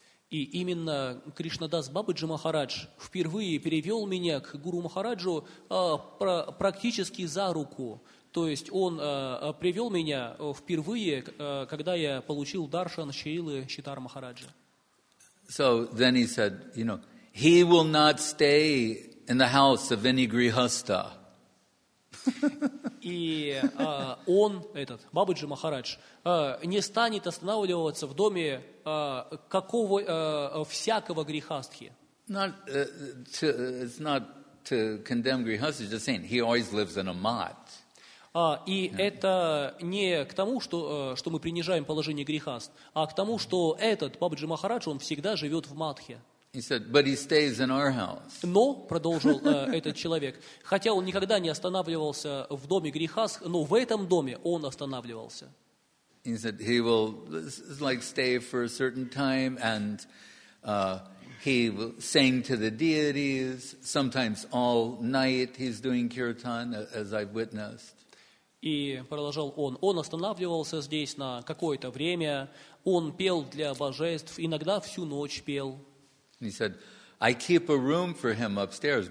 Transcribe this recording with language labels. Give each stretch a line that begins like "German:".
Russian: И именно Кришнадас Бабаджи Махарадж впервые перевел меня к Гуру Махараджу практически за руку. То есть он привел меня впервые, когда я получил даршан Шрилы Читар Махараджа.
English: So then he said, you know, he will not stay in the house of any grihastha.
Russian: И он, этот, Бабаджи Махарадж, не станет останавливаться в доме какого всякого грихастхи.
English: It's not to condemn grihastha, just saying he always lives in a mat.
Russian: И это не к тому, что мы принижаем положение грихаст, а к тому, что этот Бабаджи Махарадж, он всегда живет в матхе.
English: He said, but he stays in our house.
Russian: Но, продолжил этот человек, хотя он никогда не останавливался в доме грихастх, но в этом доме он останавливался.
English: He said, he will like stay for a certain time and he will sing to the deities, sometimes all night he's doing kirtan, as I've witnessed.
Russian: И продолжал он останавливался здесь на какое-то время, он пел для божеств, иногда всю ночь пел.
English: He said, I keep a room for him upstairs.